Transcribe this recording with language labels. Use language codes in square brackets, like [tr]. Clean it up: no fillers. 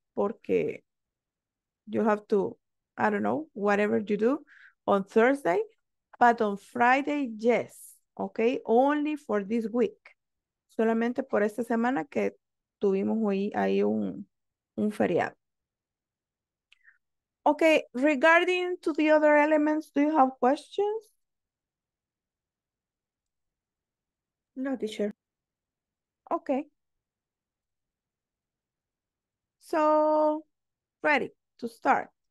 [en] Porque you have to, I don't know, whatever you do on Thursday. But on Friday, yes. Okay, only for this week. [es] Solamente por esta semana que tuvimos ahí un feriado. [en] Okay, regarding to the other elements, do you have questions? No, teacher. Okay. So, ready to start.